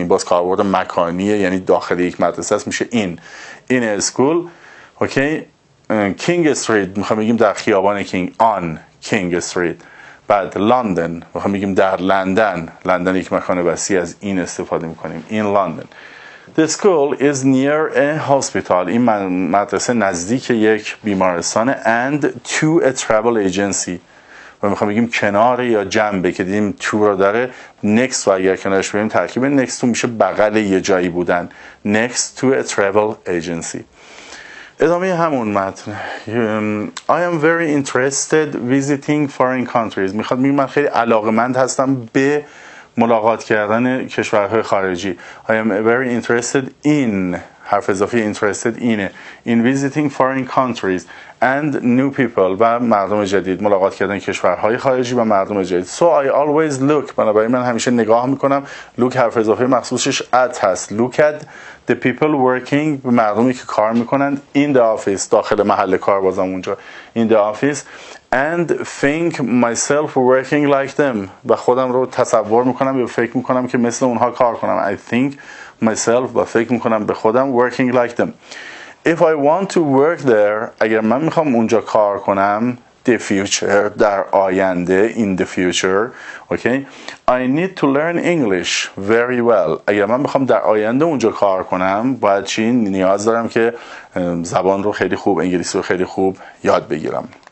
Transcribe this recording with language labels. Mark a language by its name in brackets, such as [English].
[Persian] این باز کاربرد مکانیه، یعنی داخل یک مدرسه است، میشه این اسکول، اوکی. کینگ استریت، میخوام بگیم در خیابان کینگ، آن کینگ استریت. بعد لندن، میخوام بگیم در لندن. لندن یک مکان وسیع، از این استفاده میکنیم، این لندن. [English] The school is near a hospital، [Persian] این مدرسه نزدیک یک بیمارستانه. [English] And to a travel agency، [Persian] و میخوام بگیم کناره یا جنبه، که دیدیم تو را داره. next، و اگر کنارش بگیم ترکیب next تو میشه بغل یه جایی بودن. [English] next to a travel agency. [Persian] ادامه همون متن. [English] I am very interested visiting foreign countries، [Persian] میخواد بگیم من خیلی علاقمند هستم به ملاقات کردن کشورهای خارجی. [English] I am very interested in، [Persian] حرف اضافی interested اینه، [English] in visiting foreign countries and new people، [Persian] و مردم جدید، ملاقات کردن کشورهای خارجی و مردم جدید. [English] So I always look، [Persian] بنابراین من همیشه نگاه میکنم. look، حرف اضافه مخصوصش at هست. [English] look at the people working، [Persian] به مردمی که کار میکنند. [English] in the office، داخل محل کار، بازم اونجا in the office. and think myself working like them، [Persian] و خودم رو تصور میکنم یا فکر میکنم که مثل اونها کار کنم. [English] I think myself، [Persian] و فکر میکنم به خودم، [English] working like them. If I want to work there، [Persian] اگر من میخوام اونجا کار کنم، the future، در آینده، in the future، okay، [English] I need to learn English very well، [Persian] اگر من میخوام در آینده اونجا کار کنم، باید چی؟ نیاز دارم که زبان رو خیلی خوب، انگلیسی رو خیلی خوب یاد بگیرم.